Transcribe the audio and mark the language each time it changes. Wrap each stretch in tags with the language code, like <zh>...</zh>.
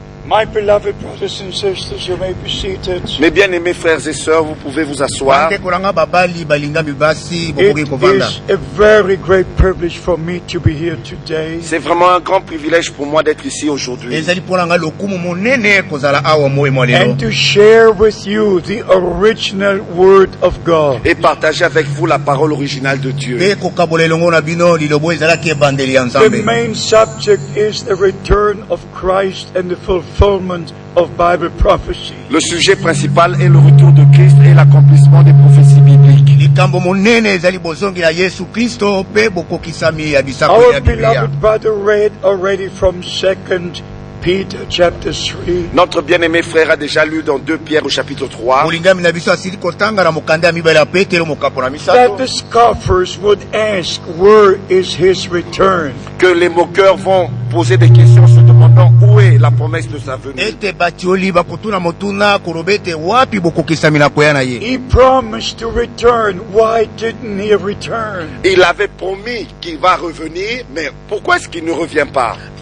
<en>My beloved brothers and sisters, you may be seated.</en> <fr>Mes bien-aimés frères et sœurs, vous pouvez vous asseoir.</fr> <en>It is a very great privilege for me to be here today.</en> <fr>C'est vraiment un grand privilège pour moi d'être ici aujourd'hui.</fr> <en>And to share with you the original word of God.</en> <fr>Et partager avec vous la parole originale de Dieu.</fr> <en>The main subject is the return of Christ and the fulfillment of Bible prophecy.</en> <fr>Le sujet principal est le retour de Christ et l'accomplissement des prophéties bibliques.</fr> <en>Our beloved brother read already from 2 Peter chapter 3.</en> <fr>Notre bien-aimé frère a déjà lu dans 2 Pierre au chapitre 3.</fr> <en>That the scoffers would ask, where is his return?</en> <fr>Que les moqueurs vont poser des questions se demandant où est la promesse de sa venue.</fr> <en>He promised to return. Why didn't he return?</en> <fr>Il avait promis qu'il va revenir, mais pourquoi est-ce qu'il ne revient pas?</fr>